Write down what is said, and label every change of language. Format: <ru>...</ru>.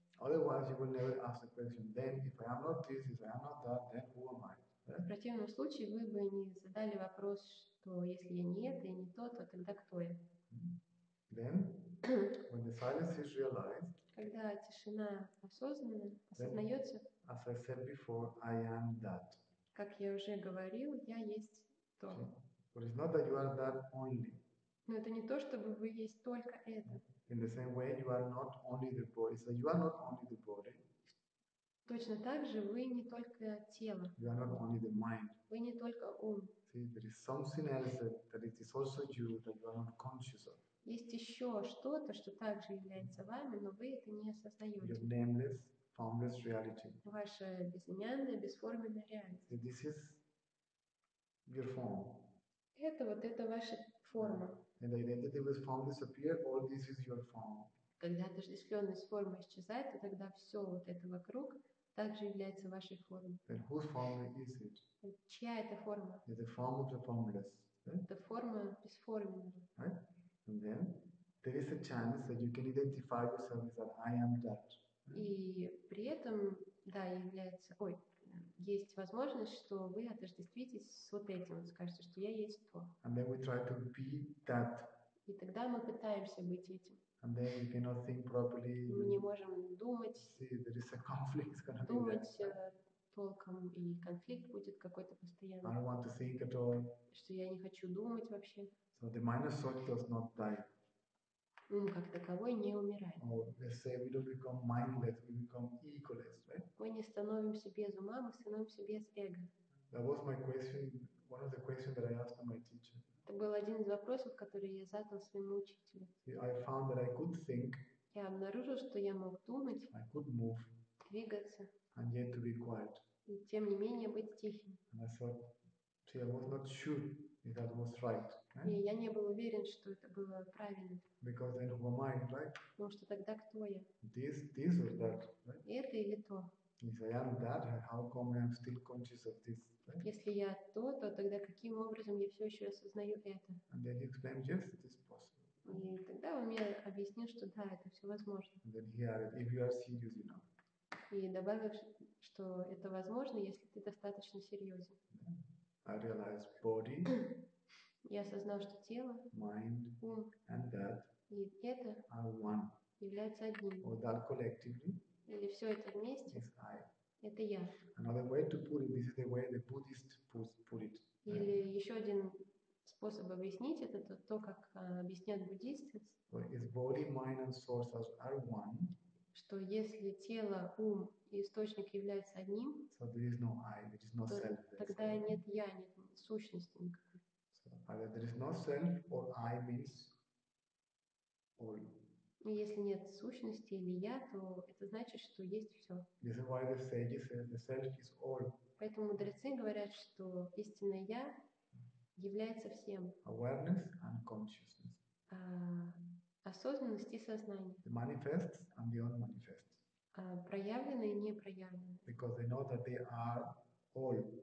<en>Otherwise, you will never ask the question, then if I am not this, if I am not that, then who am I?</en> <ru>В противном случае вы бы не задали вопрос, что если я не это, я не то, то тогда кто я?</ru> <en>Then, when the silence is realized,</en> <ru>когда тишина осознанная, осознается,</ru> <en>as I said before, I am that.</en> <ru>Как я уже говорил, я есть то.</ru> <en>But it's not that you are that only.</en> <ru>Но это не то, чтобы вы есть только это.</ru> <en>In the same way, you are not only the body. So you are not only the body.</en> <ru>Точно так же вы не только тело.</ru> <en>You are not only the mind.</en> <ru>Вы не только ум.</ru> <en>See, there is something else that it is also you that you are not conscious of.</en> <ru>Есть еще что-то, что также является вами, но вы это не осознаете.</ru> <en>Your nameless, formless reality.</en> <ru>Ваша безымянная, бесформенная реальность.</ru> <en>See, this is your form.</en> <ru>Это вот это ваша форма.</ru> <en>And the identity with form disappears, all this is your form.</en> <ru>Когда отождествленность формы исчезает, то тогда все вот это вокруг также является вашей формой.</ru> <en>Then whose form is it?</en> <ru>Чья это форма?</ru> <en>The form of the formless.</en> <ru>Это форма бесформенная.</ru> <en>Right? And then there is a chance that you can identify yourself as that I am that.</en> <ru>И при этом, да, является, ой, есть возможность, что вы отождествитесь с вот этим, скажете, что я есть то.</ru> <en>And then we try to be that.</en> <ru>И тогда мы пытаемся быть этим.</ru> <en>And then we cannot think properly.</en> <ru>Мы не можем думать.</ru> <en>See, there is a conflict.</en> <ru>Думать толком, и конфликт будет какой-то постоянный.</ru> <en>I don't want to think at all.</en> <ru>Что я не хочу думать вообще.</ru> <en>So the minor soul does not die.</en> <ru>Ум как таковой не умирает.</ru> <en>Or let's say we don't become mindless, we become egoless, right?</en> <ru>Мы не становимся без ума, мы становимся без эго.</ru> <en>That was my question, one of the questions that I asked my teacher.</en> <ru>Это был один из вопросов, который я задал своему учителю.</ru> <en>I found that I could think.</en> <ru>Я обнаружил, что я мог думать.</ru> <en>I could move.</en> <ru>Двигаться.</ru> <en>And yet to be quiet.</en> <ru>И тем не менее быть тихим.</ru> <en>And I thought, see, I was not sure. That was right.</en> <ru>И я не был уверен, что это было правильно.</ru> <en>Because then who am I, right?</en> <ru>Потому что тогда кто я?</ru> <en>This or that, right?</en> <ru>Это или то?</ru> <en>If I am that, how come I am still conscious of this? Right?</en> <ru>Если я то, то тогда каким образом я все еще осознаю это?</ru> <en>And then he explained, yes, it is possible.</en> <ru>И тогда он мне объяснил, что да, это все возможно.</ru> <en>And then he added, if you are serious enough.</en> <ru>И добавил, что это возможно, если ты достаточно серьезен.</ru> <en>I realized body.</en> <ru>Я осознал, что тело,</ru> <en>mind,</en> <ru>ум,</ru> <en>and that</en> <ru>и это</ru> <en>are one.</en> <ru>Является одним.</ru> <en>Or that collectively.</en> <ru>Или все это вместе.</ru> <en>Is I.</en> <ru>Это я.</ru> <en>Another way to put it, this is the way the Buddhist put it.</en> <ru>Или еще один способ объяснить это, то, то как объясняют буддисты,</ru> <en>is body, mind, and sources are one,</en> <ru>что если тело, ум и источник являются одним,</ru> <en>so there is no I, there is no</en> <ru>то</ru> <en>self,</en> <ru>тогда</ru> <en>there is</en> <ru>нет я, нет сущности никакой.</ru> <en>So either there is no self or I means or</en> <ru>если нет сущности или я, то это значит, что есть все.</ru> <en>This is why the sages say the self is all.</en> <ru>Поэтому мудрецы говорят, что истинное я является всем.</ru> <en>Awareness and consciousness.</en> <ru>Осознанность и сознание.</ru> <en>The manifest and the unmanifest.</en> <ru>Проявленное и непроявленное.</ru> <en>Because they know that they are all.</en>